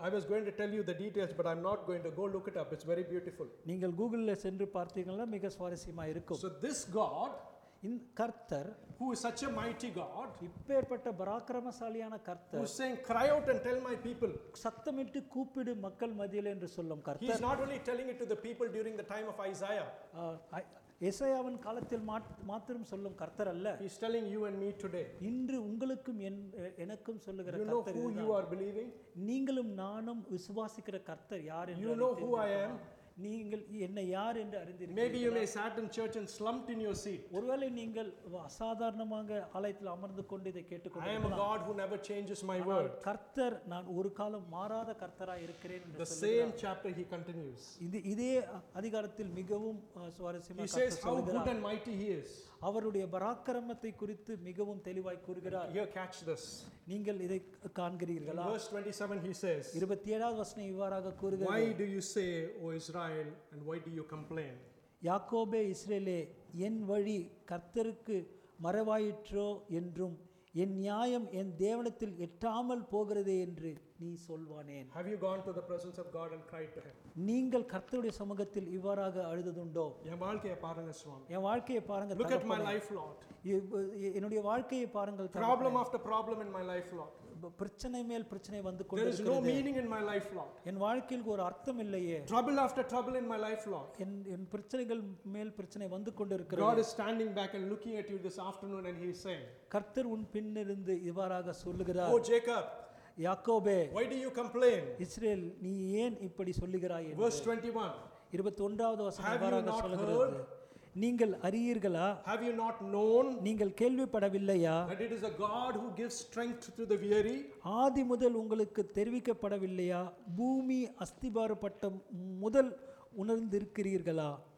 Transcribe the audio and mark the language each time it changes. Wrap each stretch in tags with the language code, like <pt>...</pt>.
<en>I was going to tell you the details but I'm not going to go look it up. It's very beautiful.</en> <ta>நீங்கள் கூகுளில் சென்று பார்த்தீங்கன்னா மிக சுவாரஸ்யமாக இருக்கும்.</ta> <en>So this God</en> <ta>in கர்த்தர்</ta> <en>who is such a mighty god</en> <ta>இப்பேற்பட்ட பராக்கிரமசாலியான கர்த்தர்</ta> <en>who is saying cry out and tell my people</en> <ta>சத்தமிட்டு கூப்பிடு மக்கள் மத்தியில் என்று சொல்லும் கர்த்தர்</ta> <en>he is not only telling it to the people during the time of Isaiah</en> <ta>இசையாவின் காலத்தில் மட்டும் சொல்லும் கர்த்தர் அல்ல</ta> <en>he is telling you and me today</en> <ta>இன்று உங்களுக்கும் எனக்கும் சொல்லுகிற கர்த்தர்</ta> <en>you know who you are believing</en> <ta>நீங்களும் நானும் விசுவாசிக்கிற கர்த்தர் யார் என்று</ta> <en>you know who I am</en> <ta>நீங்கள் என்ன யார் என்று அறிந்தீர்கள்</ta> <en>maybe you may sat in church and slumped in your seat</en> <ta>ஒருவேளை நீங்கள் அசாதாரணமாக ஆலயத்தில் அமர்ந்து கொண்டு இதை கேட்டுக்கொண்டீர்கள்</ta> <en>I am a God who never changes my word</en> <ta>கர்த்தர் நான் ஒரு காலம் மாறாத கர்த்தராய் இருக்கிறேன் என்று சொல்கிறார்</ta> <en>the same chapter he continues</en> <ta>இதே அதிகாரத்தில் மிகவும் சுவாரஸ்யமாக</ta> <en>he says how good and mighty he is</en> <ta>அவருடைய பராக்கிரமத்தை குறித்து மிகவும் தெளிவாய் கூறுகிறார்</ta> <en>you catch this</en> <ta>நீங்கள் இதை காண்கிறீர்களா</ta> <en>verse 27 he says</en> <ta>27வது வசனம் இவ்வாறாக கூறுகிறார்</ta> <en>why do you say o israel and why do you complain</en> <ta>யாக்கோபே இஸ்ரேலே, என் வழி கர்த்தருக்கு மறைவாயிற்றோ என்றும் என் நியாயம் என் தேவனத்தில் எட்டாமல் போகிறதே என்று நீ சொல்வானேன்.</ta> <en>Have you gone to the presence of God and cried to him?</en> <ta>நீங்கள் கர்த்தருடைய சமூகத்தில் இவ்வாறாக அழுதுண்டோ? என் வாழ்க்கையை பாருங்க சுவாமி. என் வாழ்க்கையை பாருங்க.</ta> <en>Look at my life, Lord.</en> <ta>என்னுடைய வாழ்க்கையை பாருங்கள்.</ta> <en>Problem after problem in my life, Lord.</en> <ta>பிரச்சனை மேல் பிரச்சனை வந்து கொண்டிருக்கிறது.</ta> <en>There is no meaning in my life, Lord.</en> <ta>என் வாழ்க்கையில் ஒரு அர்த்தம் இல்லையே.</ta> <en>Trouble after trouble in my life, Lord.</en> <ta>என் பிரச்சனைகள் மேல் பிரச்சனை வந்து கொண்டிருக்கிறது.</ta> <en>God is standing back and looking at you this afternoon and he is saying,</en> <ta>கர்த்தர் உன் பின்னிருந்து இவ்வாறாக சொல்லுகிறார்.</ta> <en>Oh Jacob,</en> <ta>யாக்கோபே,</ta> <en>why do you complain?</en> <ta>Israel, நீ ஏன் இப்படி சொல்லுகிறாய் என்று.</ta> <en>Verse 21.</en> <ta>21வது வசனம் இவ்வாறாக சொல்லுகிறது. நீங்கள் அறியீர்களா?</ta> <en>Have you not known?</en> <ta>நீங்கள் கேள்விப்படவில்லையா?</ta> <en>That it is a God who gives strength to the weary.</en> <ta>ஆதி முதல் உங்களுக்கு தெரிவிக்கப்படவில்லையா? பூமி அஸ்திபாரப்பட்ட முதல் உணர்ந்திருக்கிறீர்களா?</ta>